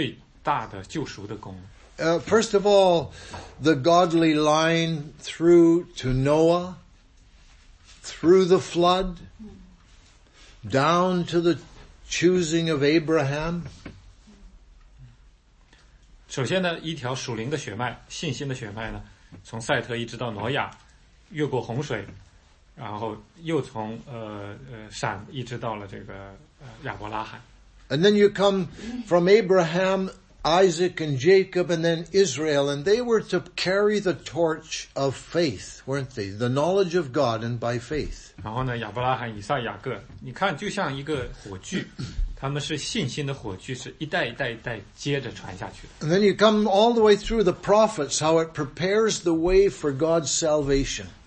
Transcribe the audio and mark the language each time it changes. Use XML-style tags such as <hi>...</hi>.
<zh>然后神呢，从他的伊甸园开始就开始做那最大的救赎的工。</zh> <en>First of all, the godly line through to Noah, through the flood, down to the choosing of Abraham.</en> <zh>首先呢，一条属灵的血脉，信心的血脉呢，从赛特一直到挪亚，越过洪水，然后又从闪一直到了这个亚伯拉罕。</zh> <en>And then you come from Abraham, Isaac, and Jacob, and then Israel, and they were to carry the torch of faith, weren't they? The knowledge of God and by faith.</en> <zh>然后呢，亚伯拉罕、以撒、雅各，你看，就像一个火炬。他们是信心的火炬，是一代一代一代接着传下去的。</zh> <en>And then you come all the way through the prophets, how it prepares the way for God's salvation.</en>